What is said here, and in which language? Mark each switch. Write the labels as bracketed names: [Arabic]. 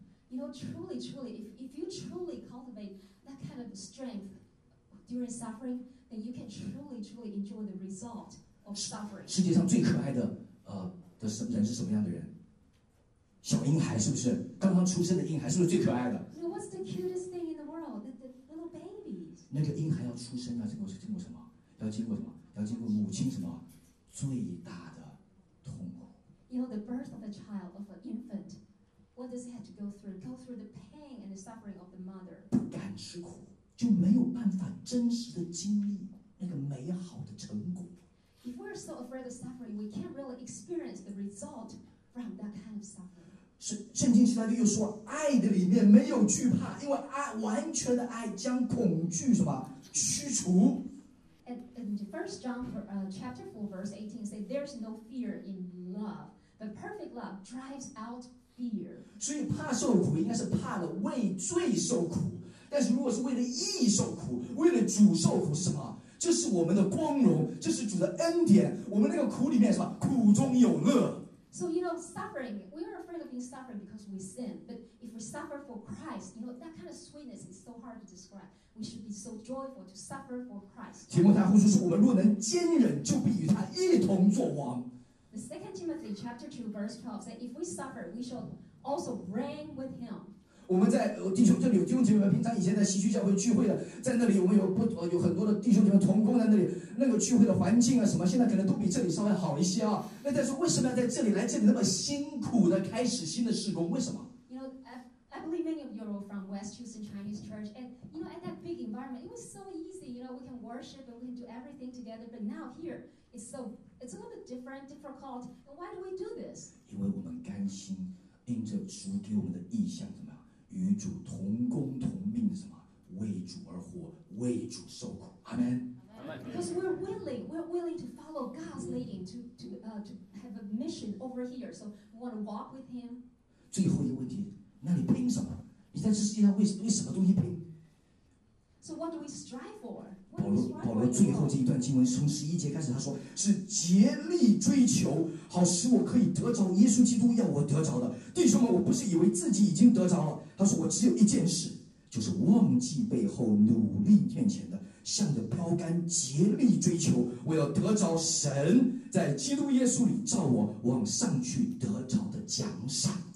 [English] You know, truly, truly, if you truly cultivate that kind of strength during suffering, then you can truly, truly enjoy the result. [Chinese] 世界上最可爱 的人是什么样的人？小婴孩是不是？刚刚出生的婴孩是不是最可爱的 [English] ？What's the cutest thing in the world? The little babies. [Chinese] 那个婴孩要出生要经过什么？要经过什么？要经过母亲什么最大的痛苦 [English] ？You know the birth of a child of an infant. What does it have to go through? Go through the pain and the suffering of the mother. [Chinese] 不敢吃苦，就没有办法真实的经历那个美好的成果。 [English] If we're so afraid of suffering, we can't really experience the result from that kind of suffering. [Chinese] 圣经希腊又说，爱的里面没有惧怕，因为爱完全的爱将恐惧什么驱除。 [English] And First John chapter 4 verse 18 says, "There's no fear in love, but perfect love drives out fear." [Chinese] 所以怕受苦应该是怕了为罪受苦，但是如果是为了义受苦，为了主受苦，什么？这是我们的光荣，这是主的恩典。我们那个苦里面是吧？苦中有乐。 [English] So you know, suffering. We are afraid of being suffering because we sin. But if we suffer for Christ, you know that kind of sweetness is so hard to describe. We should be so joyful to suffer for Christ. [Chinese] 提摩太后书说：“我们若能坚忍，就必与他一同作王。” [English] The Second Timothy chapter 2 verse 12 says, "If we suffer, we shall also reign with him." [Chinese] 我们在弟兄这里有弟兄姐妹们，平常以前在西区教会聚会的，在那里我们有很多的弟兄姐妹同工在那里，那个聚会的环境啊什么，现在可能都比这里稍微好一些啊。那但是为什么要在这里来这里那么辛苦的开始新的事工？为什么 [English] ？You know, I believe many of you are from West Houston Chinese Church, and you know, at that big environment, it was so easy. You know, we can worship and we can do everything together. But now here, it's a little bit different, difficult. And why do we do this? [Chinese] 因为我们甘心因着主给我们的意向怎么样？与主同工同命的什么？为主而活，为主受苦。阿门。 [English] Because we're willing to follow God's leading to have a mission over here, so we want to walk with Him. [Chinese] 最后一个问题，那你拼什么？你在这世界上为什么东西拼 [English] ？So what do we strive for? [Chinese] 保罗最后这一段经文从十一节开始，他说是竭力追求，好使我可以得着耶稣基督要我得着的。弟兄们，我不是以为自己已经得着了。他说我只有一件事，就是忘记背后，努力面前的，向着标杆竭力追求，我要得着神在基督耶稣里召我往上去得着的奖赏。